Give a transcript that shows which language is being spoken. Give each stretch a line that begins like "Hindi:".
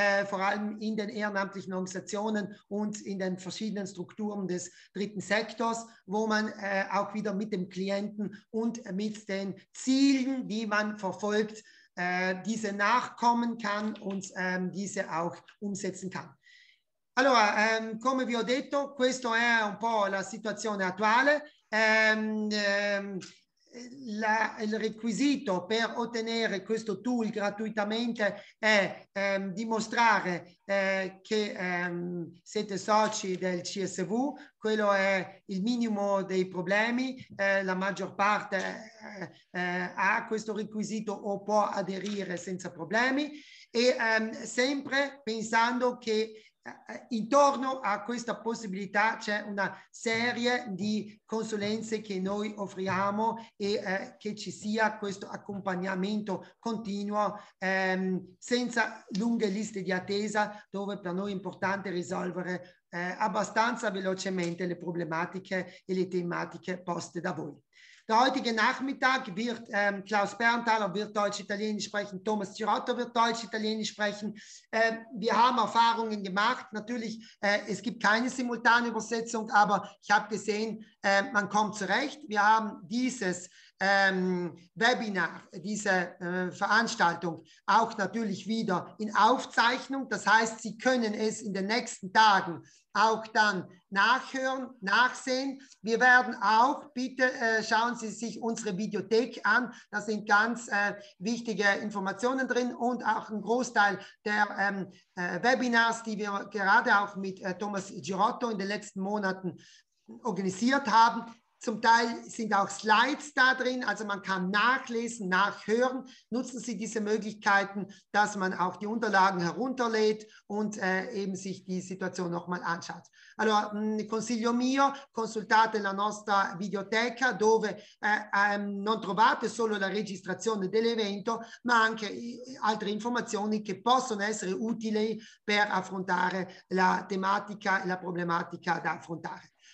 German: vor allem in den ehrenamtlichen Organisationen und in den verschiedenen Strukturen des dritten Sektors, wo man auch wieder mit dem Klienten und mit den Zielen, die man verfolgt, diese nachkommen kann und diese auch umsetzen kann.
Italian: Allora, come vi ho detto, questo è un po' la situazione attuale. Il requisito per ottenere questo tool gratuitamente è dimostrare che siete soci del CSV, quello è il minimo dei problemi, la maggior parte ha questo requisito o può aderire senza problemi e sempre pensando che intorno a questa possibilità c'è una serie di consulenze che noi offriamo e che ci sia questo accompagnamento continuo senza lunghe liste di attesa, dove per noi è importante risolvere abbastanza velocemente le problematiche e le tematiche poste da voi.
German: Der heutige Nachmittag wird Klaus Berntaler wird Deutsch-Italienisch sprechen, Thomas Cirotto wird Deutsch-Italienisch sprechen. Wir haben Erfahrungen gemacht. Natürlich, es gibt keine Simultanübersetzung, aber ich habe gesehen, man kommt zurecht. Wir haben dieses Webinar, diese Veranstaltung auch natürlich wieder in Aufzeichnung. Das heißt, Sie können es in den nächsten Tagen auch dann nachhören, nachsehen. Wir werden auch, bitte schauen Sie sich unsere Videothek an. Da sind ganz wichtige Informationen drin und auch ein Großteil der Webinars, die wir gerade auch mit Thomas Girotto in den letzten Monaten organisiert haben. Zum Teil sind auch Slides da drin, also man kann nachlesen, nachhören. Nutzen Sie diese Möglichkeiten, dass man auch die Unterlagen herunterlädt und eben sich die Situation nochmal anschaut.
Italian: Allora, consiglio mio, consultate la nostra videoteca dove non trovate solo la registrazione dell'evento, ma anche altre informazioni che possono essere utili per affrontare la tematica e la problematica da affrontare.